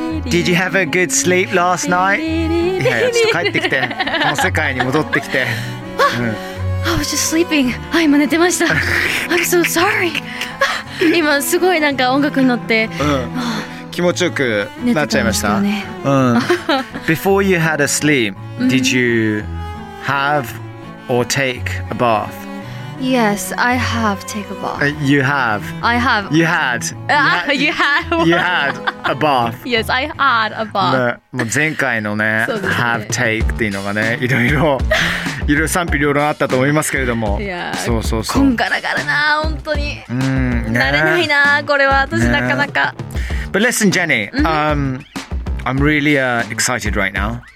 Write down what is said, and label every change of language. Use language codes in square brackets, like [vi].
[en] Did you have a good sleep last night? Yeah, I just came back. [ja] この世界に戻ってきて。 [en] I was just sleeping. I was [ja] 寝てました。 [en] I'm so sorry. [ja] 今すごいなんか音楽に乗って、うん、気持ちよくなっちゃいました。寝てたんですけどね。うん。 [en] Before you had a sleep, did you have or take a bath? Yes, I have take a bath. You have. I have. You had. You had. You had a bath. Yes, I had a bath. [ja] もう前回のね、have take っていうのがね、いろいろ。いろいろ賛否両論あったと思いますけれども、いやー、そうそうそう、こんがらがらな、本当に、うん、慣れないな、これは私なかなか。 [en] But listen, Jenny, I'm really excited right now.